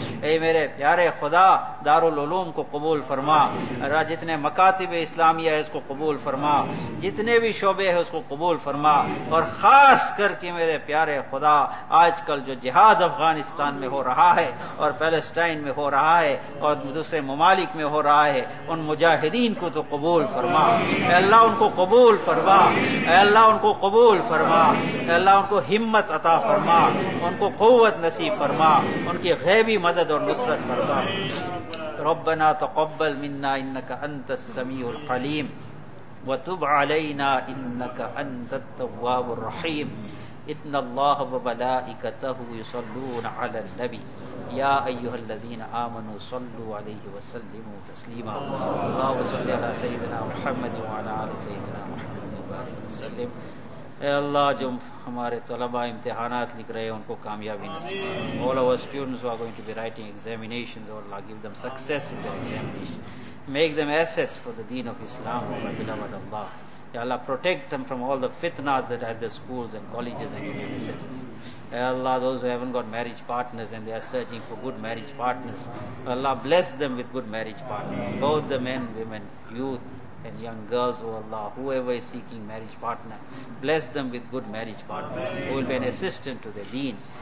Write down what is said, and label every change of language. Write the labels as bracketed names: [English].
[Urdu] اے میرے پیارے خدا، دار العلوم کو قبول فرما، جتنے مکاتب اسلامیہ ہے اس کو قبول فرما، جتنے بھی شعبے ہیں اس کو قبول فرما، اور خاص کر کے میرے پیارے خدا آج کل جو جہاد افغانستان میں ہو رہا ہے اور پیلسٹائن میں ہو رہا ہے اور دوسرے ممالک میں ہو رہا ہے، ان مجاہدین کو تو قبول فرما، اے اللہ ان کو قبول فرما، اے اللہ ان کو قبول فرما، اے اللہ ان کو ہمت عطا فرما، ان کو قوت نصیب فرما، ان کی غیبی مدد اور نصرت فرما. [Arabic] ربنا تقبل منا انك انت السميع العليم وتب علينا انك انت التواب الرحيم ان الله وملائكته يصلون على النبي يا ايها الذين امنوا صلوا عليه وسلموا تسليما. اللهم صل على سيدنا محمد وعلى ال سيدنا محمد وبارك وسلم. [Urdu] اے اللہ، جو ہمارے طلبہ امتحانات لکھ رہے ہیں ان کو کامیابی نصیب کر. [English] All our students who are going to be writing examinations, oh Allah, give them success in their examination. Make them assets for the deen of Islam, oh my beloved Allah. Ya Allah, protect them from all the fitnas that are at the schools and colleges and universities. Ya Allah, those who haven't got marriage partners and they are searching for good marriage partners, Allah, bless them with good marriage partners, both the men, women, youth, and young girls, oh Allah, whoever is seeking marriage partner, bless them with good marriage partners who will be an assistant to their deen.